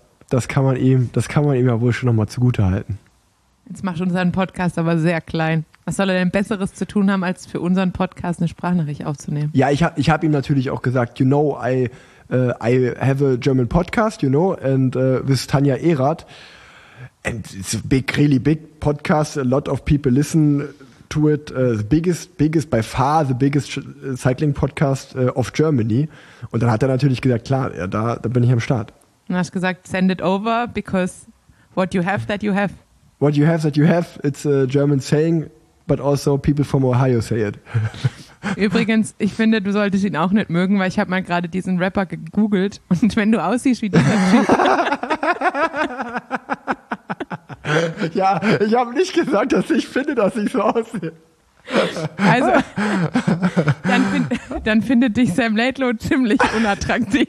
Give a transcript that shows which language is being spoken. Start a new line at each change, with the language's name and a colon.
German: Das kann man ihm ja wohl schon nochmal zugute halten. Jetzt macht unseren Podcast aber sehr klein. Was soll er denn Besseres zu tun haben, als für unseren Podcast eine Sprachnachricht aufzunehmen? Ja, ich hab ihm natürlich auch gesagt,
English: you know, I have a German podcast, you know, and this is Tanja Erath. And it's a big, really big podcast, a lot of people listen to it. The biggest, by far, cycling podcast of Germany.
German: Und dann hat er natürlich gesagt, klar, ja, da bin ich am Start. Und hast gesagt,
English: send it over, because what you have that you have. What you have that you have, it's a German saying, but also people from Ohio say it.
German: Übrigens, ich finde, du solltest ihn auch nicht mögen, weil ich habe mal gerade diesen Rapper gegoogelt und wenn du aussiehst wie dieser Typ. Ja, ich habe nicht gesagt, dass ich finde, dass ich so aussehe. Also, dann findet dich Sam Laidlaw ziemlich unattraktiv.